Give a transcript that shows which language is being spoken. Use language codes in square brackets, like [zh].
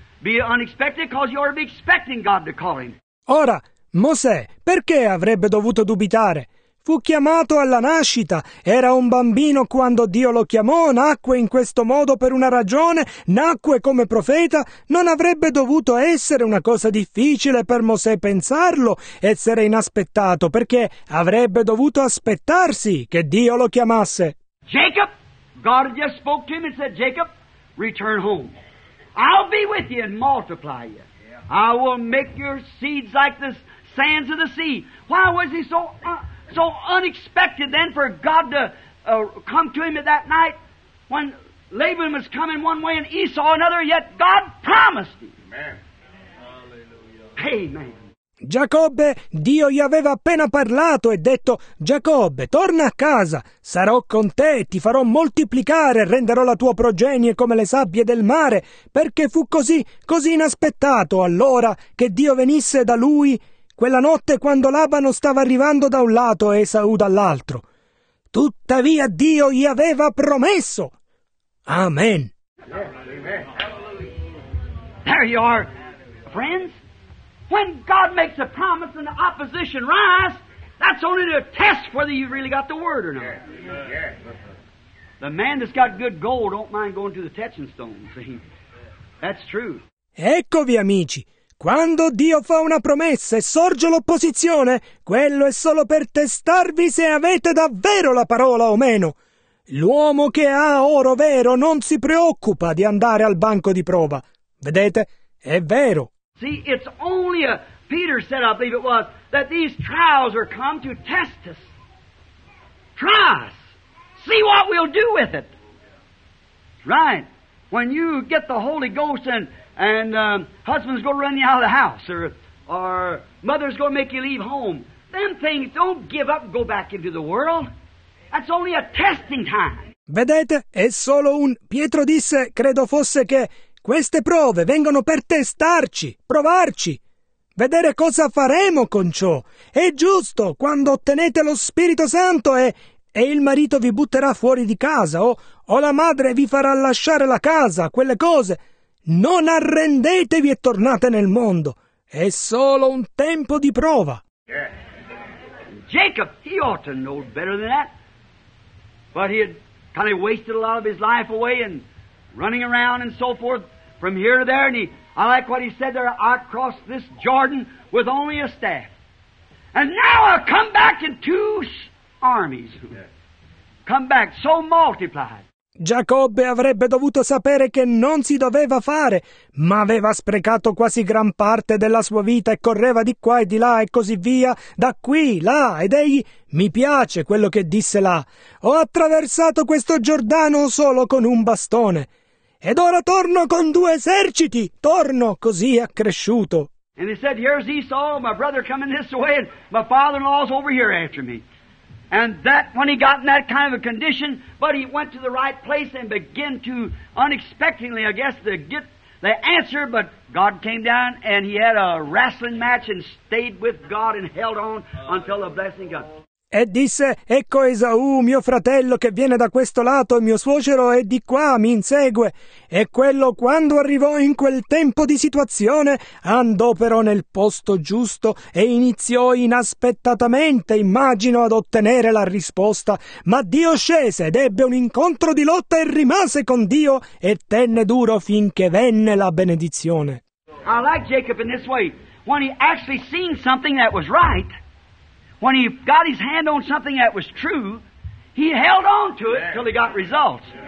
[en] Be unexpected, because you ought to be expecting God to call him. [it] Ora, Mosè, perché avrebbe dovuto dubitare? Fu chiamato alla nascita, era un bambino quando Dio lo chiamò, nacque in questo modo per una ragione, nacque come profeta, non avrebbe dovuto essere una cosa difficile per Mosè pensarlo, essere inaspettato, perché avrebbe dovuto aspettarsi che Dio lo chiamasse. [en] Jacob, God just spoke to him and said, Jacob, return home. I'll be with you and multiply you. I will make your seeds like the sands of the sea. Why was he so... So unexpected then for God to come to him at that night when Laban was coming one way and Esau another, yet God promised him. Amen. Hallelujah. Amen. [it] Giacobbe, Dio gli aveva appena parlato e detto, Giacobbe, torna a casa, sarò con te, ti farò moltiplicare, renderò la tua progenie come le sabbie del mare, perché fu così, così inaspettato allora che Dio venisse da lui... Quella notte quando Labano stava arrivando da un lato e Esau dall'altro. Tuttavia Dio gli aveva promesso. Amen. [en] There you are, friends. When God makes a promise and the opposition rise, that's only to test whether you've really got the word or not. The man that's got good gold don't mind going to the touching stone. See? That's true. [it] Eccovi, amici. Quando Dio fa una promessa e sorge l'opposizione, quello è solo per testarvi se avete davvero la parola o meno. L'uomo che ha oro vero non si preoccupa di andare al banco di prova. Vedete? È vero. [en] See, it's only a, Peter said, I believe it was, that these trials are come to test us. Try us. See what we'll do with it. Right. When you get the Holy Ghost and husband's going to run you out of the house, or mother's going to make you leave home. Them things, don't give up and go back into the world. That's only a testing time. [it] Vedete, è solo un... Pietro disse, credo fosse che queste prove vengono per testarci, provarci, vedere cosa faremo con ciò. È giusto quando ottenete lo Spirito Santo e il marito vi butterà fuori di casa, o la madre vi farà lasciare la casa, quelle cose... Non arrendetevi e tornate nel mondo. È solo un tempo di prova. [en] Yeah. Jacob, he ought to know better than that. But he had kind of wasted a lot of his life away and running around and so forth from here to there. And I like what he said there, I crossed this Jordan with only a staff. And now I'll come back in two armies. Come back so multiplied. [it] Giacobbe avrebbe dovuto sapere che non si doveva fare, ma aveva sprecato quasi gran parte della sua vita e correva di qua e di là e così via, da qui, là, ed egli, mi piace quello che disse là, ho attraversato questo Giordano solo con un bastone, ed ora torno con due eserciti, torno così accresciuto. [en] And he said, here's Esau, my brother coming this way, and my father-in-law's over here after me. And that, when he got in that kind of a condition, but he went to the right place and began to, unexpectedly, I guess, to get the answer, but God came down and he had a wrestling match and stayed with God and held on until the blessing got. [it] E disse, ecco Esaù, mio fratello che viene da questo lato, mio suocero è di qua, mi insegue. E quello, quando arrivò in quel tempo di situazione, andò però nel posto giusto e iniziò inaspettatamente, immagino, ad ottenere la risposta. Ma Dio scese ed ebbe un incontro di lotta e rimase con Dio e tenne duro finché venne la benedizione. [en] I like Jacob in this way, when he actually seen something that was right. When he got his hand on something that was true, he held on to it till he got results.